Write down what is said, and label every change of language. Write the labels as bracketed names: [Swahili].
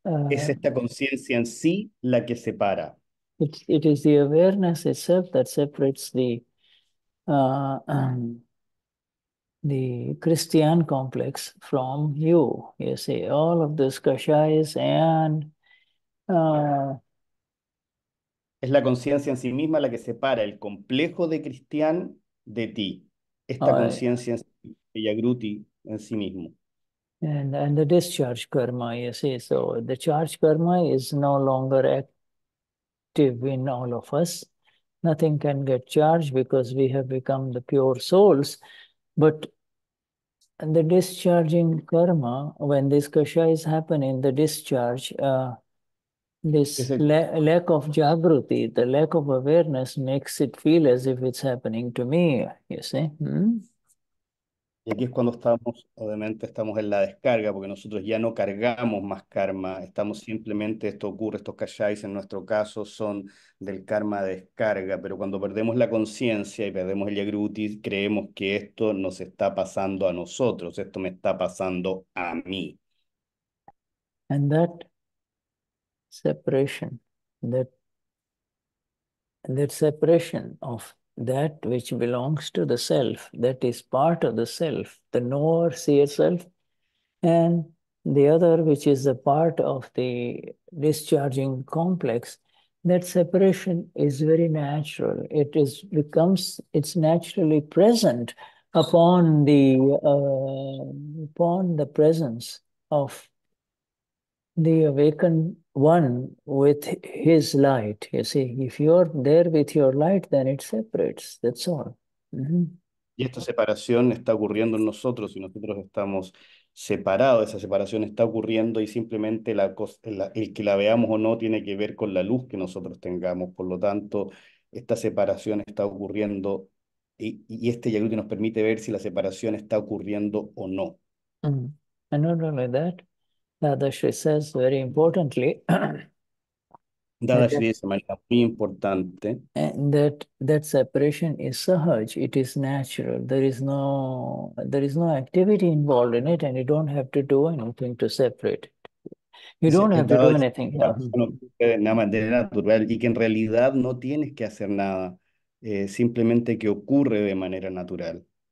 [Spanish] Es esta conciencia en sí la que separa. [English] It is the awareness itself that separates the Cristian complex from you. You see, all of this kashayas and... [Spanish] Es la conciencia en sí misma la que separa el complejo de Cristian de ti. Esta conciencia en sí, de Jagruti en sí mismo. [English] And the discharge karma, you see. So the charge karma is no longer active in all of us. Nothing can get charged because we have become the pure souls. But the discharging karma, when this kasha is happening, the discharge... lack of jagruti, the lack of awareness, makes it feel as if it's happening to me, you see. [Spanish] Y aquí es cuando estamos, obviamente estamos en la descarga, porque nosotros ya no cargamos más karma, estamos simplemente, esto ocurre, estos kashais en nuestro caso son del karma de descarga, pero cuando perdemos la conciencia y perdemos el jagruti, creemos que esto nos está pasando a nosotros, esto me está pasando a mí. [English] And that separation, that separation of that which belongs to the self, that is part of the self, the knower, seer self, and the other which is a part of the discharging complex, that separation is very natural. It is becomes, it's naturally present upon the presence of the awakened one with his light. You see, if you're there with your light, then it separates. That's all. [Spanish] Y esta separación está ocurriendo en nosotros y nosotros estamos separados. Esa separación está ocurriendo y simplemente el que la veamos o no tiene que ver con la luz que nosotros tengamos. Por lo tanto, esta separación está ocurriendo y este yagruti nos permite ver si la separación está ocurriendo o no. [English] And not only that, Dadashri says very importantly [Spanish] Dadashri dice de manera muy importante [English] that separation is sahaj, it is natural. There is no activity involved in it, and you don't have to do anything to separate it. You don't have to do anything. [Spanish] De natural, y que en realidad no tienes que hacer nada, simplemente que ocurre de manera natural.